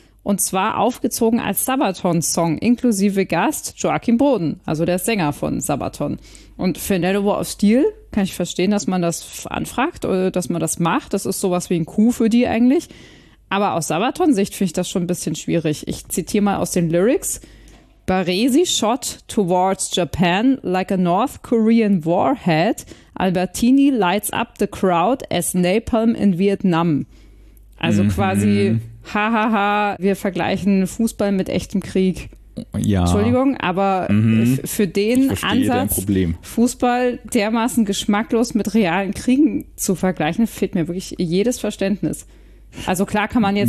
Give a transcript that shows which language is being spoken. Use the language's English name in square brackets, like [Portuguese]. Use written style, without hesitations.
[German] Und zwar aufgezogen als Sabaton-Song inklusive Gast Joachim Boden, also der Sänger von Sabaton. Und für Nanowar of Steel kann ich verstehen, dass man das anfragt oder dass man das macht. Das ist sowas wie ein Coup für die eigentlich. Aber aus Sabaton-Sicht finde ich das schon ein bisschen schwierig. Ich zitiere mal aus den Lyrics. [English] Baresi shot towards Japan like a North Korean warhead. Albertini lights up the crowd as napalm in Vietnam. [German] Also quasi... Hahaha, ha, ha. Wir vergleichen Fußball mit echtem Krieg. Ja. Entschuldigung, aber für den Ansatz, Fußball dermaßen geschmacklos mit realen Kriegen zu vergleichen, fehlt mir wirklich jedes Verständnis. Also klar kann man jetzt